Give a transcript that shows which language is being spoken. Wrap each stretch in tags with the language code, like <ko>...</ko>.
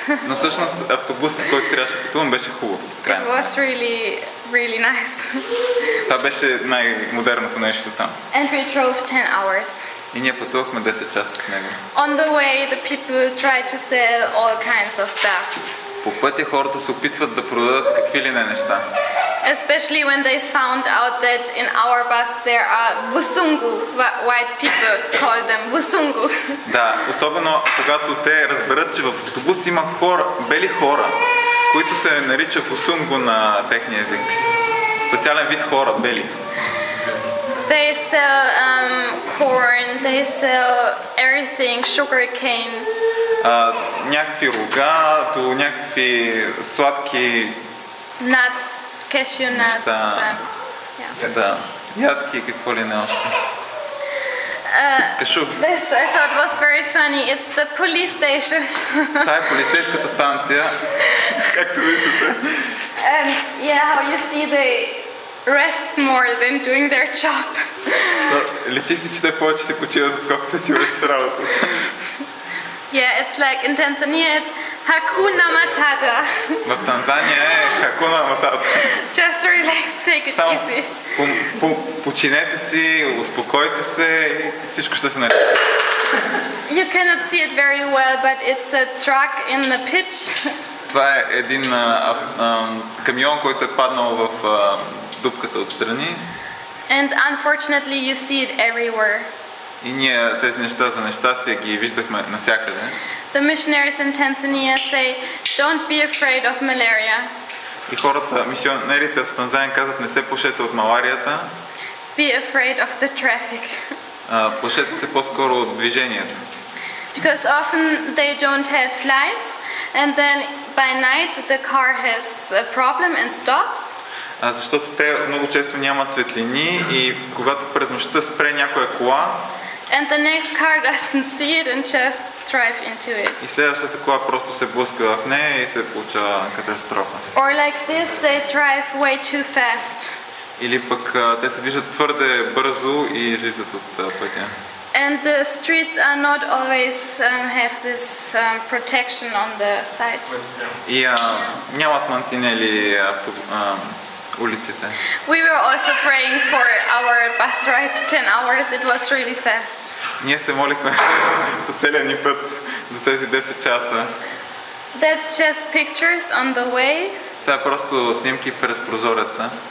<bg>Но всъщност автобусът, с който трябваше да пътувам, беше хубав.</bg> <en>It was really, really nice.</en> <bg>Това беше най-модерното нещо там.</bg> <en>And we drove 10 hours.</en> <bg>И ние пътувахме 10 часа с него.</bg> <en>On the way, the people tried to sell all kinds of stuff.</en> <bg>По пътя хората се опитват да продадат какви ли не неща.</bg> <en>Especially when they found out that in our bus there are Busungu, white people call them Busungu.</en> <bg>Да, особено когато те разберат, че в автобус има хора, бели хора, които се наричат Busungu на техния език. Специален вид хора, бели.</bg> <en>They sell corn, they sell everything, sugar cane.</en> <bg>Някакви рога, до някакви сладки</bg> <en>nuts, cashew nuts.</en> <bg>Неща. Да, ядки и какво ли не още. Кашу.</bg> <en>This I thought was very funny. It's the police station.</en> <bg>Това е полицейската станция. Както виждате.</bg> <en>And yeah, how you see they rest more than doing their job.</en> <bg>Личи си, че те повече се почиват, отколкото си вършат работа.</bg> <en>Yeah, it's like in Tanzania it's Hakuna Matata.</en> <bg>В Танзания е Hakuna Matata.</bg> <en>Just relax, take it</en> <bg>Само</bg> <en>easy.</en> <bg>Починете си, успокойте се и всичко ще се наред.</bg> <en>You cannot see it very well, but it's a truck in the pitch.</en> <bg>Това е един камион, който е паднал в дупката отстрани.</bg> <en>And unfortunately you see it everywhere.</en> <bg>И ние тези неща за нещастие ги виждахме навсякъде.</bg> <en>The missionaries in Tanzania say, don't be afraid of malaria.</en> <bg>И хората, мисионерите в Танзания казват, не се плашете от маларията.</bg> <en>Be afraid of the traffic.</en> <bg>Плашете се по-скоро от движението.</bg> <en>Because often they don't have lights, and then by night the car has a problem and stops.</en> <bg>Защото те много често нямат светлини и когато през нощта спре някоя кола,</bg> <en>and the next car doesn't see it and just drive into it.</en> <bg>И следващата кола просто се блъска в нея и се получава катастрофа.</bg> <en>Or like this, they drive way too fast.</en> <bg>Или пък те се движат твърде бързо и излизат от пътя.</bg> <en>And the streets are not always have this protection on the side.</en> <bg>И нямат мантинели улиците.</bg> <en>We were also praying for our bus ride 10 hours. It was really fast.</en> <bg>Ние се молихме по целия ни път за тези 10 часа.</bg> <en>That's just pictures on the way.</en> <bg>Това е просто снимки през прозореца.</bg>